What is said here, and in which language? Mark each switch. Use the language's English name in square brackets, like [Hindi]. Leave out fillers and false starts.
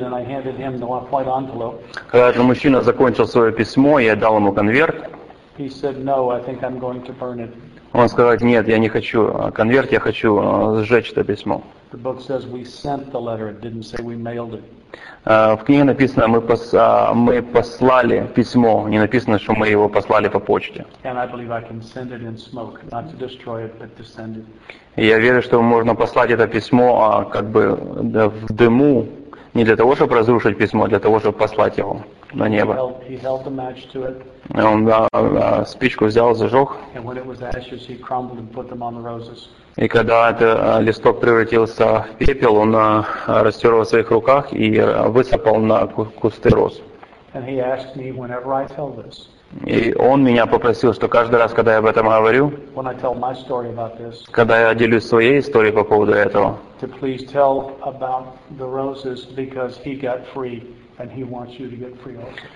[Russian] Когда этот мужчина закончил свое письмо, я дал ему конверт. [English] He said, no, I think I'm going to burn it. [Russian] Он сказал, нет, я не хочу конверт, я хочу сжечь это письмо. [English] The book says we sent the letter, it didn't say we mailed it. [Russian] В книге написано, мы послали письмо, не написано, что мы его послали по почте. [English] And I believe I can send it in smoke, not to destroy it, but to send it. [Russian] Я верю, что можно послать это письмо, как бы в дыму, не для того, чтобы разрушить письмо, а для того, чтобы послать его на небо. [English] He held the match to it. [Russian] Он спичку взял, зажег. [English] And when it was ashes, he crumbled and put them on the roses. [Russian] И когда этот листок превратился в пепел, он растер его в своих руках и высыпал на кусты роз. [English] And he asked me whenever I tell this. [Russian] И он меня попросил, что каждый раз, когда я об этом говорю, [English] when I tell my story about this, [Russian] когда я делюсь своей историей по поводу этого, [English] to please tell about the roses because he got free. And he wants you to get free also.